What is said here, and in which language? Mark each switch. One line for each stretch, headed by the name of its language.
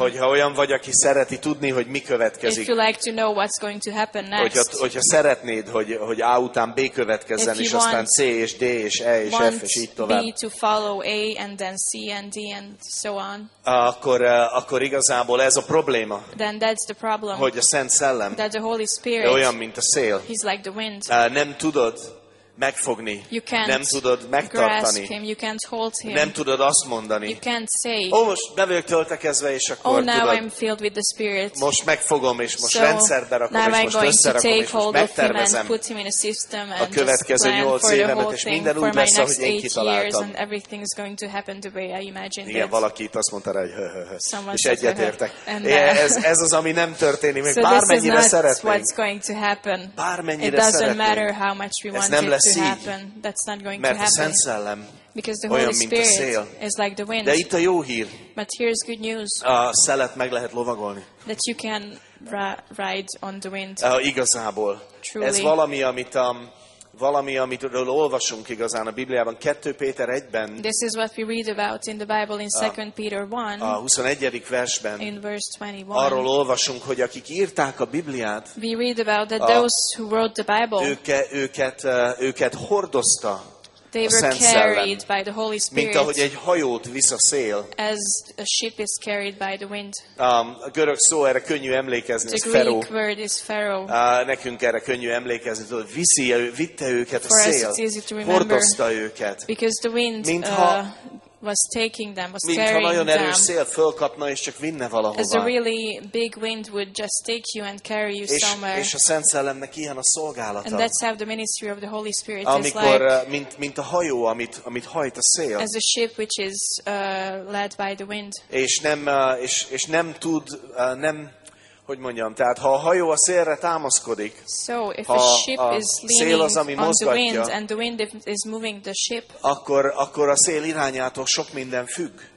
Hungarian: Hogyha olyan vagy, aki szereti tudni, hogy mi következik.
English: If you like to know what's going to happen next.
Hungarian: Hogyha szeretnéd, hogy A után B következzen, és aztán C és D és E és F és így tovább.
English: B to follow A and then C and D and so on.
Hungarian: Akkor igazából ez a probléma.
English: Then that's the problem.
Hungarian: Hogy a Szent Szellem.
English: That the Holy Spirit.
Hungarian: Olyan, mint a szél.
English: He's like the wind.
Hungarian: Nem tudod megfogni.
English: You can't
Hungarian: nem tudod megtartani.
English: Grasp him, you can't hold him.
Hungarian: Nem tudod azt mondani.
English: You can't say,
Hungarian: most be vagyok töltekezve, és akkor
English: now
Hungarian: tudod,
English: I'm filled with the Spirit.
Hungarian: Most megfogom, és most
English: so,
Hungarian: rendszerbe rakom, és
English: I'm
Hungarian: most összerakom, és most megtervezem
English: put him in a, system and
Hungarian: a következő nyolc évemet, és minden úgy lesz, ahogy én kitaláltam.
English: And everything is going to happen the way I imagined it.
Hungarian: Igen, valaki itt azt mondta rá, hogy
English: someone
Hungarian: és egyetértek. Ez az, ami nem történik, még bármennyire szeretnénk. Bármennyire szeretnénk. Ez nem lesz
English: to happen. That's not going
Hungarian: mert
English: to happen.
Hungarian: A Szent Szellem
English: because the Holy Spirit is like the wind.
Hungarian: De itt a jó hír.
English: But here's good news.
Hungarian: A szelet meg lehet lovagolni.
English: That you can ride on the wind.
Hungarian: Igazából.
English: Truly.
Hungarian: Ez valami, amit amitről olvasunk igazán a Bibliában 2 Péter 1-ben.
English: This is what we read about in the Bible in 2 Peter 1.
Hungarian: A 21. versben.
English: In verse 21.
Hungarian: Arról olvasunk, hogy akik írták a Bibliát.
English: We read about that those who wrote the Bible.
Hungarian: Őket hordozta.
English: They were
Hungarian: a Szent
English: carried
Hungarian: Szellem,
English: by the Holy Spirit.
Hungarian: Mint ahogy egy hajót visz a szél.
English: As a ship is carried by the wind.
Hungarian: A görög szó erre könnyű emlékezni,
English: the
Hungarian: ez Pharaoh.
English: The Greek word is Pharaoh.
Hungarian: Nekünk erre könnyű emlékezni, hogy vitte őket
English: for
Hungarian: a szél. Hordozta őket.
English: Because the wind was taking them, was
Hungarian: mint
English: carrying
Hungarian: ha nagyon
English: them.
Hungarian: Erős szél fölkapna és csak vinne valahova.
English: As a really big wind would just take you and carry you somewhere.
Hungarian: És a Szent Szellemnek ilyen a szolgálata.
English: And that's how the ministry of the Holy Spirit
Hungarian: amikor,
English: is like.
Hungarian: Amikor mint a hajó, amit hajt a szél.
English: As a ship which is led by the wind.
Hungarian: És nem tud, hogy mondjam, tehát ha a hajó a szélre támaszkodik,
English: so,
Hungarian: ha
English: a, ship
Hungarian: a
English: is
Hungarian: szél az, ami mozgatja,
English: wind, and the wind is moving the ship,
Hungarian: akkor a szél irányától sok minden függ.